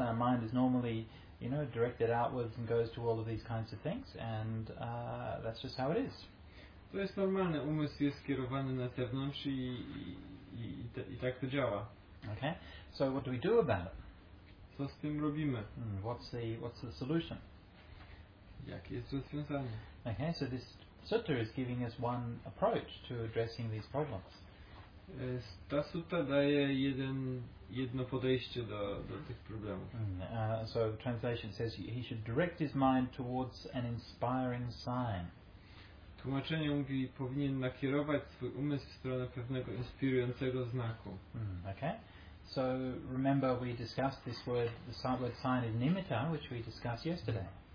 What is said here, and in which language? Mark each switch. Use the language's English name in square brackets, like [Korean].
[English] Our mind is normally, you know, directed outwards and goes to all of these kinds of things, and that's just how it is. [Polish] To jest normalne. Umysł jest skierowany na zewnątrz i tak to działa. [English] Okay. So what do we do about it? [Polish] Co z tym robimy? [English] What's the solution? [Polish] Jakie jest rozwiązanie? [English] Okay, so this sutta is giving us one approach to addressing these problems. [Polish] Ta sutta daje jedno podejście do tych problemów. [English] So translation says he should direct his mind towards an inspiring sign. [Polish] Tłumaczenie mówi, powinien nakierować swój umysł w stronę pewnego inspirującego znaku. [English] Okay, so remember we discussed this word, the word sign is nimitta, which we discussed yesterday.